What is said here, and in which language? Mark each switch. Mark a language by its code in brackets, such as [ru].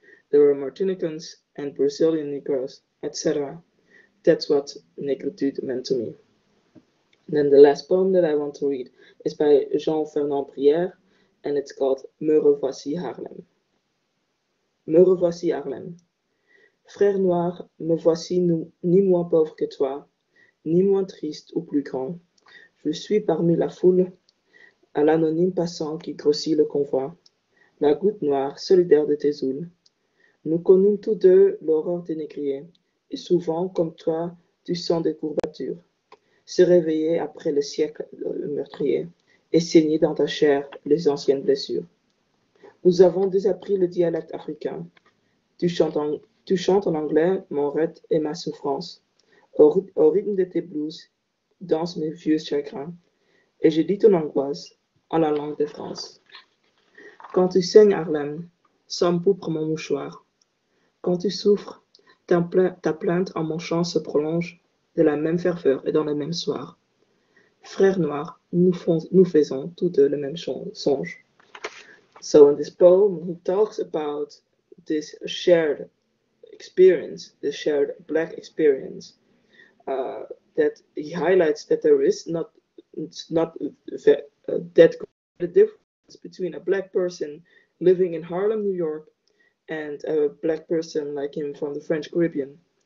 [en] There were Martinicans and Brazilian Negroes, etc. That's what negritude meant to me. And then the last poem that I want to read is by Jean-Fernand Brière, and it's called Me revoici Harlem. [fr] Me revoici Harlem. Frère noir, me voici ni moins pauvre que toi, ni moins triste ou plus grand. Je suis parmi la foule, à l'anonyme passant qui grossit le convoi, la goutte noire solidaire de tes houles. Nous connûmes tous deux l'horreur des négriers, et souvent, comme toi, du sang des courbatures. Se réveiller après le siècle meurtrier et saigner dans ta chair les anciennes blessures. Nous avons désappris le dialecte africain. Tu chantes en anglais mon rêve et ma souffrance. Au rythme de tes blues, danse mes vieux chagrins. Et je dis ton angoisse en la langue de France. Quand tu saignes, Harlem, s'empoupre mon mouchoir. Quand tu souffres, ta plainte en mon chant se prolonge de la même ferveur et dans le même soir. Frères noirs, nous faisons tous deux le même songe. [en] So in this poem, he talks about this shared experience, the shared Black experience, that he highlights that there is not that great a difference between a Black person living in Harlem, New York, and a Black person like him from the French Caribbean.